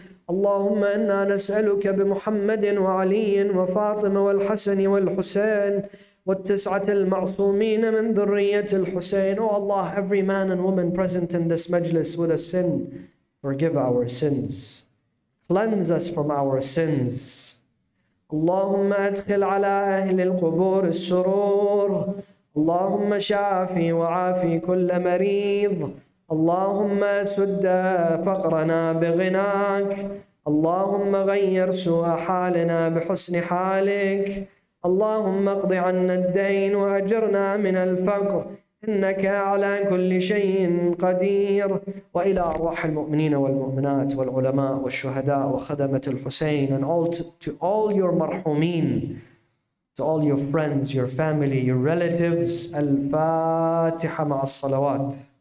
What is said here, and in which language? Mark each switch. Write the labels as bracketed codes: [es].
[ar] اللهم إنا نسألك بمحمد وعلي وفاطمة والحسن والحسين والتسعة المعصومين من ذرية الحسين. [en] Oh Allah, every man and woman present in this majlis with a sin, forgive our sins, cleanse us from our sins. [ar] اللهم ادخل على اهل القبور السرور. اللهم شافي وعافي كل مريض. اللهم سد فقرنا بغناك. اللهم غير سوء حالنا بحسن حالك. اللهم اقض عنا الدين واجرنا من الفقر. انك على كل شيء قدير. والى ارواح المؤمنين والمؤمنات والعلماء والشهداء وخدمه الحسين. [en] And all to all your marhumin, to all your friends, your family, your relatives. [ar] الفاتحه مع الصلوات.